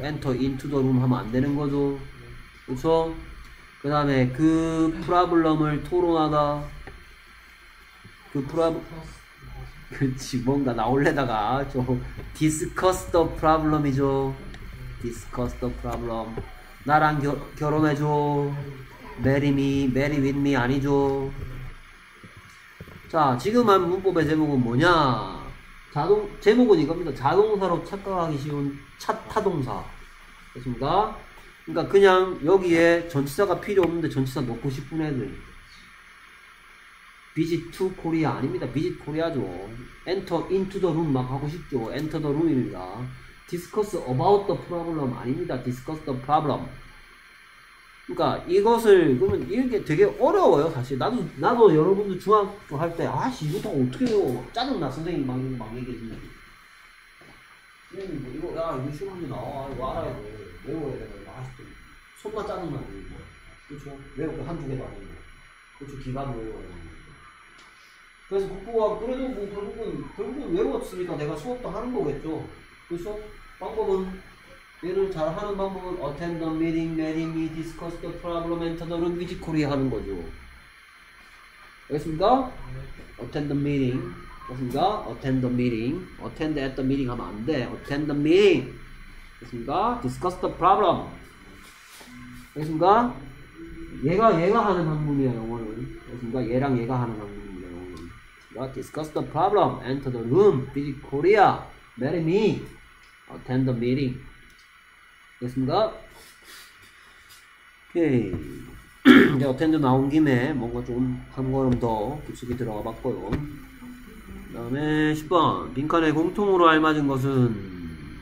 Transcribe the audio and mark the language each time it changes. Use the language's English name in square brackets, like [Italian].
[English] Enter into the room [Korean] 하면 안 되는 거죠. 그렇죠. 그 다음에 그 프라블럼을 토론하다. 그 그렇지. 뭔가 나올래다가 저 [English] discuss the problem [Korean] 이죠. [English] Discuss the problem. [Korean] 나랑 결혼해줘. [English] Marry me, marry with me [Korean] 아니죠. 자, 지금 한 문법의 제목은 뭐냐? 제목은 이겁니다. 자동사로 착각하기 쉬운 차타동사. 됐습니까? 그러니까 그냥 여기에 전치사가 필요 없는데 전치사 넣고 싶은 애들. [English] Visit to Korea [Korean] 아닙니다. [English] Visit Korea죠. Enter into the room [Korean] 막 하고 싶죠. [English] Enter the room입니다. Discuss about the problem 아닙니다. Discuss the problem. [Korean] 그니까, 이것을, 그러면, 이게 되게 어려워요, 사실. 나도 여러분들 중학교 할 때, 아씨, 이거 다 어떻게 해요? 막 짜증나, 선생님 막 얘기해주면. 선생님, 뭐, 이거, 야, 이거 싫습니다. 아, 이거 알아야 돼. 외워야 돼. 아쉽다. 손만 짜증나, 이거. 그쵸? 외우고 한두 개도 안 했네. 그쵸? 기반 외워야 돼. 그래서 국보가, 그래도 뭐, 결국은 외웠으니까 내가 수업도 하는 거겠죠. 그래서 방법은? 얘를 잘 하는 방법은 [English] attend the meeting, marry me, discuss the problem, enter the room, visit Korea [Korean] 하는 거죠. 알겠습니까? [English] attend the meeting. 알겠습니까? attend the meeting. attend at the meeting [Korean] 하면 안 돼. [English] attend the meeting. [Korean] 알겠습니까? [English] discuss the problem. 알겠습니까? [Korean] 얘가 하는 학문이야, 영어는. 알겠습니까? 얘랑 얘가 하는 학문이야, 영어는. 알겠습니까? [English] discuss the problem, enter the room, visit Korea, marry me, attend the meeting. [Korean] 됐습니다. 오케이. 이제 어텐드 나온 김에 뭔가 좀 한 걸음 더 깊숙이 들어가 봤고요. 그 다음에 10번. 빈칸에 공통으로 알맞은 것은?